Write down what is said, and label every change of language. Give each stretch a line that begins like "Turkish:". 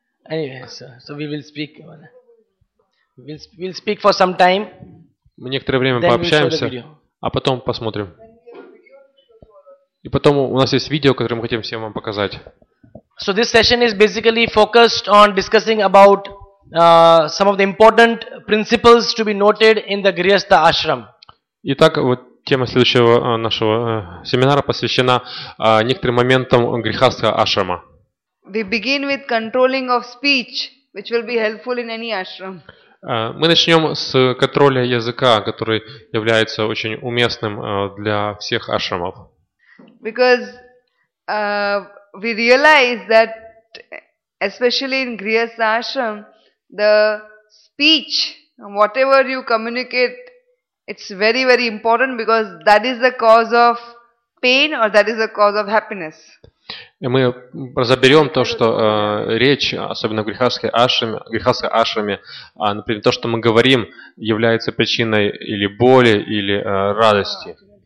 English: Anyway, so we will speak. We'll speak for some time.
Russian: Мы некоторое время пообщаемся, а потом посмотрим. И потом у нас есть видео, которое мы хотим всем вам показать.
English: So this session is basically focused on discussing about some of the important principles to be noted in the Grihastha ashram.
Russian: Итак, вот тема следующего нашего семинара посвящена некоторым моментам Грихастха ашрама.
English: We begin with controlling of speech, which will be helpful in any ashram.
Russian: Мы начнем с контроля языка, который является очень уместным для всех ашрамов.
English: Because we realize that, especially in Grihastha ashram, the speech, whatever you communicate, it's very, very important because that is the cause of pain or that is the cause of happiness.
Russian: И мы разберем то, что речь, особенно в грихастха ашраме, например, то, что мы говорим, является причиной или боли, или радости.